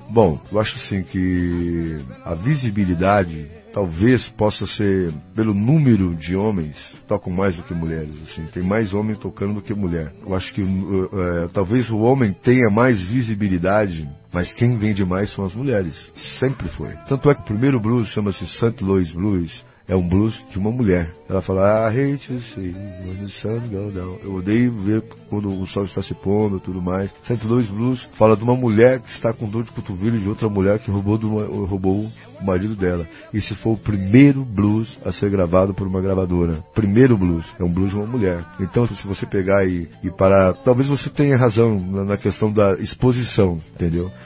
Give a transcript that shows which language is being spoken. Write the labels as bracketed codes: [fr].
[pt] Bom, eu acho assim que a visibilidade talvez possa ser pelo número de homens que tocam mais do que mulheres, assim, tem mais homem tocando do que mulher. Eu acho que talvez o homem tenha mais visibilidade, mas quem vende mais são as mulheres, sempre foi. Tanto é que o primeiro blues chama-se St. Louis Blues, é um blues de uma mulher. Ela fala, [en] I hate to see when the sun goes down. [pt] Eu odeio ver quando o sol está se pondo e tudo mais. St. Louis Blues fala de uma mulher que está com dor de cotovelo de outra mulher que roubou o marido dela. Esse foi o primeiro blues a ser gravado por uma gravadora. Primeiro blues. É um blues de uma mulher. Então, se você pegar e parar, talvez você tenha razão na questão da exposição, entendeu?